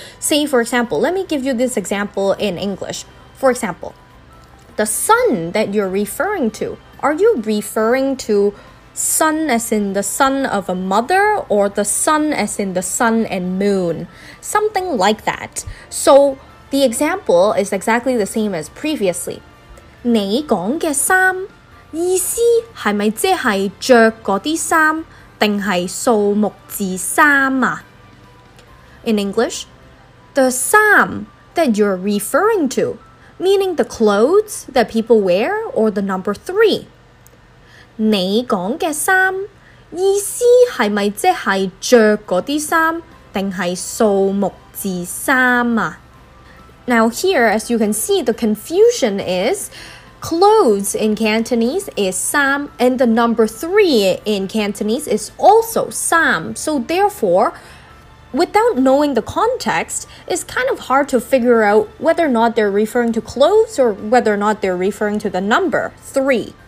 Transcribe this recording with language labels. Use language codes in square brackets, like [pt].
[en] Say, for example, let me give you this example in English. For example, the sun that you're referring toAre you referring to sun as in the sun of a mother or the sun as in the sun and moon? Something like that. So the example is exactly the same as previously. [yue] 你讲嘅衫意思系咪即系着嗰啲衫定系数目字衫啊 [en] ？In English, the 衫 that you're referring to, meaning the clothes that people wear or the number three. [yue] 你讲嘅衫意思系咪即系着嗰啲衫，定系数目字衫啊 [en] ？Now here, as you can see, the confusion is clothes in Cantonese is 衫 and the number three in Cantonese is also 衫 So therefore, without knowing the context, it's kind of hard to figure out whether or not they're referring to clothes or whether or not they're referring to the number three.